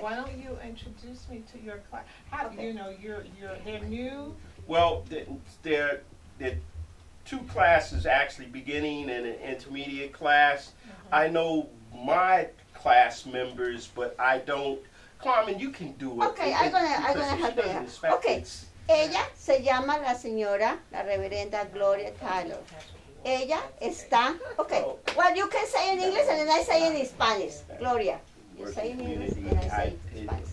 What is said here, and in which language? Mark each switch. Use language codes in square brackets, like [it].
[en] Why don't you introduce me to your class? You know, they're new. Well, they're two classes actually, beginning and an intermediate class. Mm-hmm. I know my class members, but I don't. Carmen, you can do it. Okay, I'm gonna help you. Okay. [es] Ella se llama la señora, la reverenda Gloria Tyler. Ella está, okay. [en] Well, you can say in English and then I say in Spanish. Gloria, you say in English and I say in Spanish.